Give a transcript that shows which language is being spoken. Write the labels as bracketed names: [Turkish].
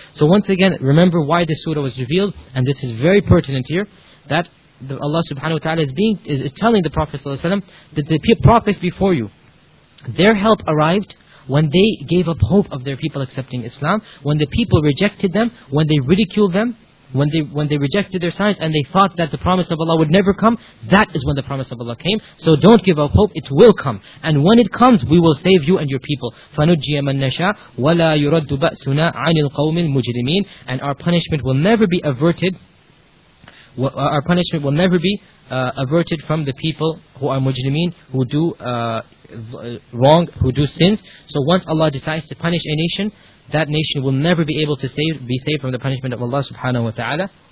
[English] So once again, remember why this surah was revealed, and this is very pertinent here, that Allah subhanahu wa ta'ala is telling the Prophet sallallahu alaihi wasallam that the prophets before you, their help arrived when they gave up hope of their people accepting Islam, when the people rejected them, when they ridiculed them, when they rejected their signs and they thought that the promise of Allah would never come, that is when the promise of Allah came. So don't give up hope, it will come. And when it comes, we will save you and your people. [Arabic] فَنُجِّيَ مَنْ نَشَاءُ وَلَا يُرَدُّ بَأْسُنَا عَنِ الْقَوْمِ الْمُجْرِمِينَ [English] And our punishment will never be averted. Our punishment will never be averted from the people who are mujrimeen, who do wrong, who do sins. So once Allah decides to punish a nation, that nation will never be able to be saved from the punishment of Allah subhanahu wa ta'ala.